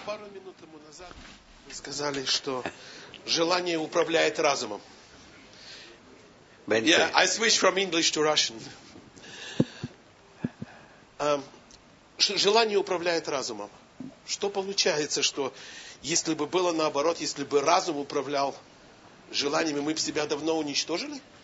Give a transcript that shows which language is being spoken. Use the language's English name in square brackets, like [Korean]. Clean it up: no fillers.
[Russian] Пару минут тому назад вы сказали, что желание управляет разумом. [English] Yeah, I switch from English to Russian. [Russian] Желание управляет разумом. Что получается, что если бы было наоборот, если бы разум управлял желаниями, мы бы себя давно уничтожили?